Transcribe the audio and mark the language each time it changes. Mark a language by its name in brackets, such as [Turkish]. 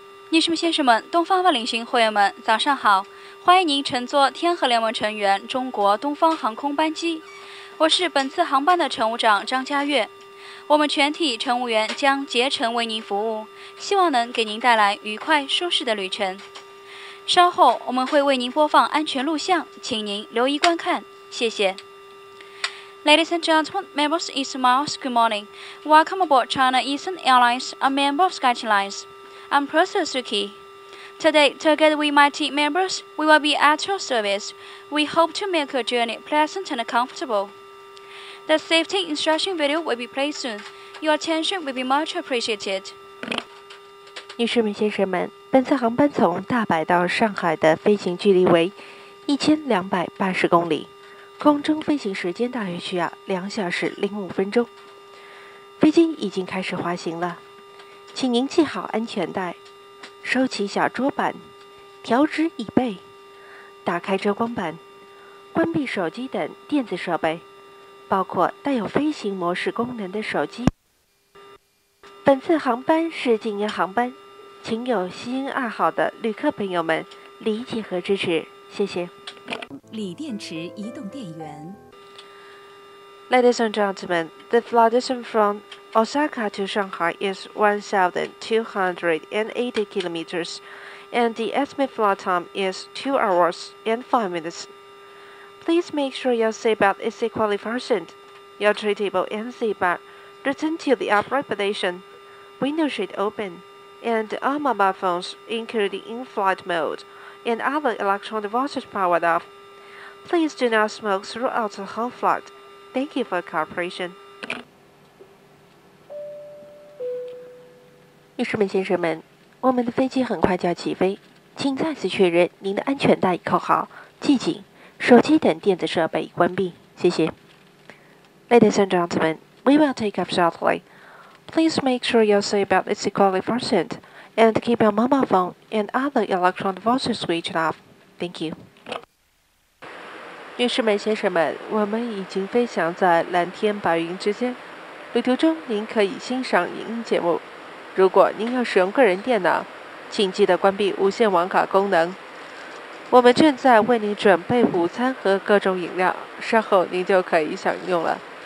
[Chinese] 女士们、先生们，东方万领行会员们，早上好，欢迎您乘坐天合联盟成员中国东方航空班机，我是本次航班的乘务长张佳悦，我们全体乘务员将竭诚为您服务，希望能给您带来愉快舒适的旅程。稍后我们会为您播放安全录像，请您留意观看，谢谢。 [English] Ladies and gentlemen, members of East Miles, good morning. Welcome aboard China Eastern Airlines, a member of SkyTrain. I'm President Suki. Today, together with my team members, we will be at your service. We hope to make your journey pleasant and comfortable. The safety instruction video will be played soon. Your attention will be much appreciated. [Chinese] 女士们、先生们，本次航班从大阪到上海的飞行距离为1280公里。空中飞行时间大约需要2小时05分钟，飞机已经开始滑行了，请您系好安全带，收起小桌板，调直椅背，打开遮光板，关闭手机等电子设备，包括带有飞行模式功能的手机。本次航班是禁烟航班，请有吸烟爱好的旅客朋友们理解和支持，谢谢。锂电池移动电源。 [English] Ladies and gentlemen, the flight distance from Osaka to Shanghai is 1,280 kilometers, and the estimated flight time is 2 hours and 5 minutes. Please make sure your seatbelt is equally fastened, your tray table and seatbelt return to the upright position, window shade open, and all mobile phones, including in-flight mode,and other electronic devices powered off. Please do not smoke throughout the whole flight. Thank you for cooperation. [Chinese] 女士们、先生们，我们的飞机很快就要起飞，请再次确认您的安全带已扣好，系紧，手机等电子设备已关闭，谢谢。 [English] Ladies and gentlemen, we will take off shortly. Please make sure your seatbelt is equally fastened. And keep your mobile phone and other electronic devices switched off. Thank you. [Chinese] 女士们、先生们，我们已经飞翔在蓝天白云之间。旅途中您可以欣赏影音节目。如果您要使用个人电脑，请记得关闭无线网卡功能。我们正在为您准备午餐和各种饮料，稍后您就可以享用了。